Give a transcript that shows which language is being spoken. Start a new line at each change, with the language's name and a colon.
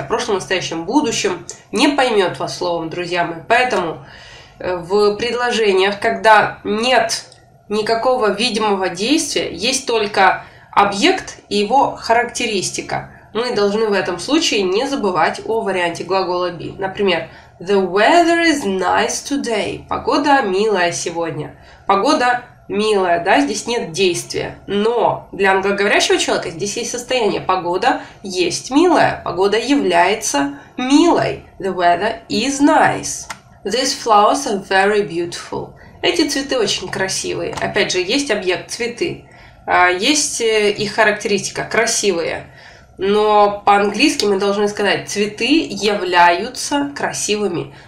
Russian: О прошлом, настоящем, будущем не поймет вас словом, друзья мои. Поэтому в предложениях, когда нет никакого видимого действия, есть только объект и его характеристика, мы должны в этом случае не забывать о варианте глагола be. Например,
English: the weather is nice today.
Russian: Погода милая сегодня. Погода милая, да, здесь нет действия. Но для англоговорящего человека здесь есть состояние. Погода есть милая. Погода является милой.
English: The weather is nice. These flowers are very beautiful.
Russian: Эти цветы очень красивые. Опять же, есть объект, цветы. Есть их характеристика, красивые. Но по-английски мы должны сказать, цветы являются красивыми.